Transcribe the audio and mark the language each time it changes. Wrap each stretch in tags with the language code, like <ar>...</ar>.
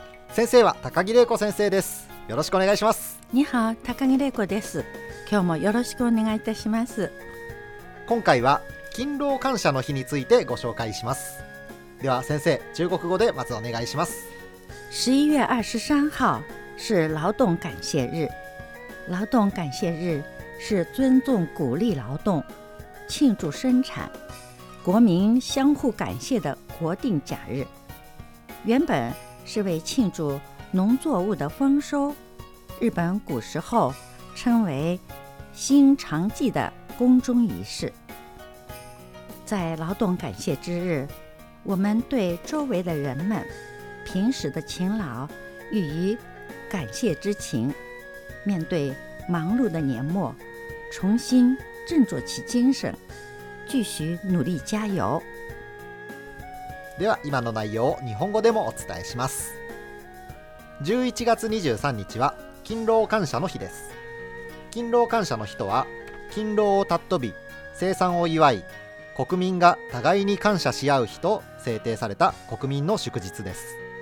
<ja>先生は高木玲子先生です。よろしくお願いします。</ja> <zh>你好、</zh> <ja>高木玲子です。今日もよろしくお願いいたします。今回は勤労感謝の日についてご紹介します。では先生、中国語でまずお願いします。</ja> <zh>11月23号是劳动感谢日。劳动感谢日是尊重鼓励劳动，庆祝生产，国民相互感谢的国定假日。原本是为庆祝农作物的丰收，日本古时候称为新长祭的宫中仪式。在劳动感谢之日，我们对周围的人们平时的勤劳予以感谢之情，面对忙碌的年末，重新振作起精神，继续努力加油。</zh> <ja>では今の内容を日本語でもお伝えします。11月23日は勤労感謝の日です。勤労感謝の日とは、勤労を尊び、生産を祝い、国民が互いに感謝し合う日と制定された国民の祝日です。</ja>